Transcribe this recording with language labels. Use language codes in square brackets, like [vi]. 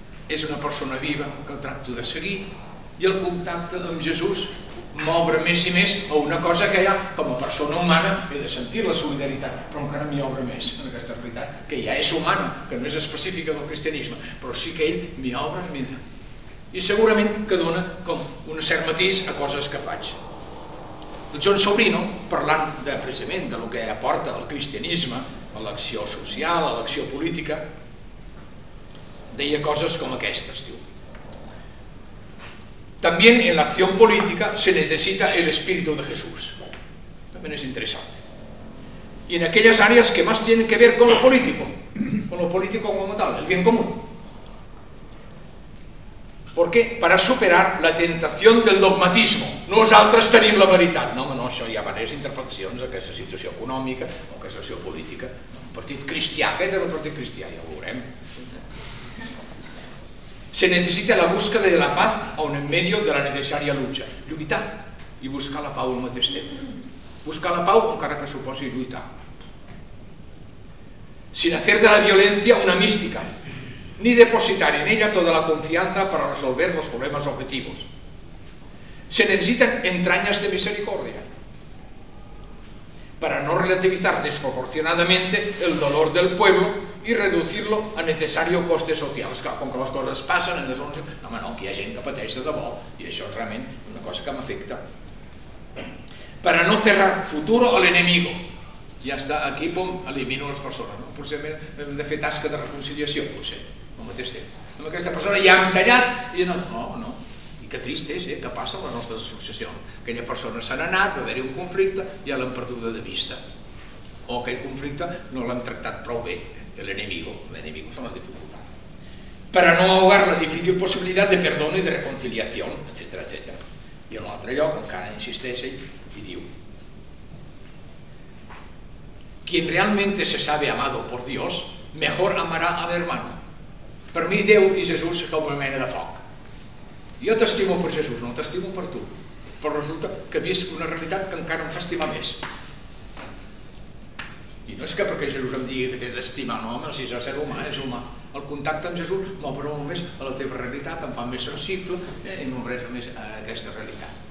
[ca] És una persona viva que el tracto de seguir i el contacte amb Jesús m'obre més i més a una cosa que ja, com a persona humana, he de sentir la solidaritat, però encara m'hi obre més en aquesta realitat, que ja és humana, que no és específica del cristianisme, però sí que ell m'hi obre, i segurament que dona com un cert matís a coses que faig. El John Sobrino, parlant de precisament del que aporta el cristianisme a l'acció social, a l'acció política, deia coses com aquestes, diu. [es] También en la acción política se necesita el espíritu de Jesús. [ca] També és interessant. [es] Y en aquellas áreas que más tienen que ver con lo político como tal, el bien común. ¿Por qué? Para superar la tentación del dogmatismo. [ca] Nosaltres tenim la veritat. No, no, això hi ha diverses interpretacions d'aquesta situació econòmica o aquesta situació política. El partit cristià, aquest era el partit cristià, ja ho veurem. [es] Se necesita la búsqueda de la paz aun en medio de la necesaria lucha. [ca] Lluitar i buscar la pau al mateix temps. Buscar la pau encara que suposi lluitar. [es] Sin hacer de la violencia una mística, ni depositar en ella toda la confianza para resolver los problemas objetivos. Se necesitan entrañas de misericordia para no relativizar desproporcionadamente el dolor del pueblo y reducirlo a necesario coste social. [ca] És clar, com que les coses passen, en les ondes, home, no, que hi ha gent que pateix de debò, i això és realment una cosa que m'afecta. [es] Para no cerrar futuro al enemigo. [ca] Ja està, aquí, pum, elimino les persones. No? Potser hem de fer tasca de reconciliació, potser, al mateix temps. Amb aquesta persona ja hem tallat, i no, no, no. I que trist és, que passa a les nostres associacions. Aquella persona se n'ha anat, va haver-hi un conflicte, i ja l'hem perdut de vista. O aquell conflicte no l'hem tractat prou bé. L'enemigo, l'enemigo són les dificultats. [es] para no ahogar la difícil posibilidad de perdón y de reconciliación, etcétera, etcétera. [ca] I en un altre lloc, encara insisteix, i diu: [es] quien realmente se sabe amado por Dios, mejor amará a mi hermano. [ca] Per mi Déu i Jesús és com una mena de foc. Jo t'estimo per Jesús, no t'estimo per tu. Però resulta que visc una realitat que encara em fa estimar més. I no és que perquè Jesús em digui que t'he d'estimar, no, home, si és ser humà, és humà. El contacte amb Jesús m'obre molt més a la teva realitat, em fa més sensible i m'obre més a aquesta realitat.